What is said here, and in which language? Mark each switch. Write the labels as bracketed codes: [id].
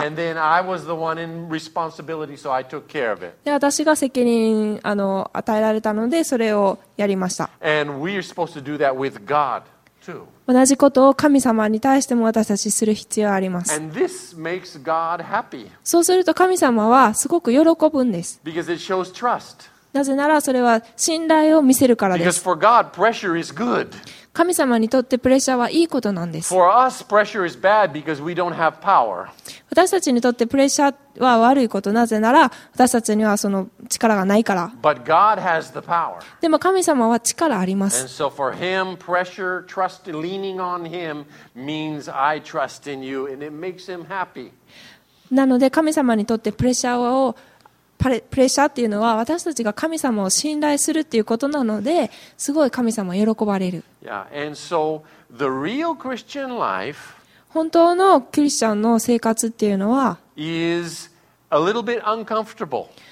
[en] And then I was the one in responsibility, so I took care of it. [ja] で、私が責任与えられたので、それをやりました。 [en] And we are supposed to do that with God too. [ja] 同じことを神様に対しても私たちする必要があります。 [en] And this makes God happy. [ja] そうすると神様はすごく喜ぶんです。 [en] Because it shows trust. [ja] なぜならそれは信頼を見せるからです。 [en] Because for God, pressure is good. [ja] 神様にとってプレッシャーはいいことなんです。 [en] For us, pressure is bad because we don't have power. [ja] 私たちにとってプレッシャーは悪いこと、なぜなら私たちにはその力がないから。 [en] But God has the power. [ja] でも神様は力あります。 [en] And so for him, pressure, trust, leaning on him means I trust in you, and it makes him happy. [ja] なので神様にとってプレッシャーっていうのは私たちが神様を信頼するっていうことなので、すごい神様喜ばれる。 [en] Yeah. And so, the real Christian life [ja] 本当のクリスチャンの生活っていうのは [en] is a little bit uncomfortable.